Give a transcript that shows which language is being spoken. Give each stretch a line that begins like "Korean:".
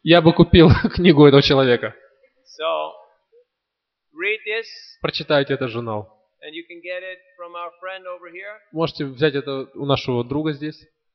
Russian: Я бы купил книгу этого человека.
English: So, read this.
Russian: Прочитайте этот журнал.
English: And you can get it from our friend over here.
Russian: Можете взять это у нашего друга здесь.